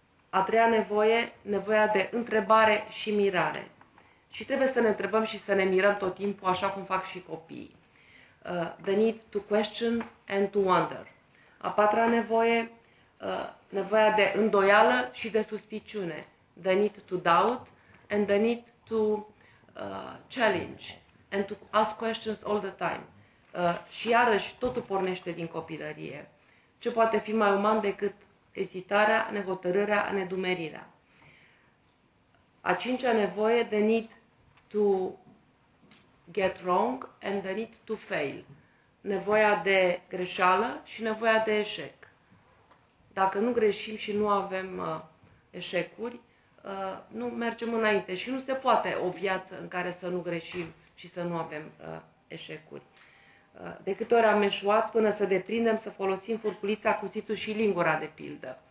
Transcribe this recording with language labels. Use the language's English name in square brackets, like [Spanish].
[Romanian] A treia nevoie, nevoia de întrebare și mirare. Și trebuie să ne întrebăm și să ne mirăm tot timpul, așa cum fac și copiii. [English] The need to question and to wonder. [Romanian] A patra nevoie, nevoia de îndoială și de suspiciune. [English] The need to doubt and the need to challenge and to ask questions all the time. [Romanian] Și iarăși totul pornește din copilărie. Ce poate fi mai uman decât ezitarea, nehotărârea, nedumerirea? A cincea nevoie, [English] the need to get wrong and the need to fail. [Romanian] Nevoia de greșeală și nevoia de eșec. Dacă nu greșim și nu avem eșecuri, nu mergem înainte și nu se poate o viață în care să nu greșim și să nu avem eșecuri. De câte ori am eșuat până să deprindem să folosim furculița, cuțitul și lingura, de pildă.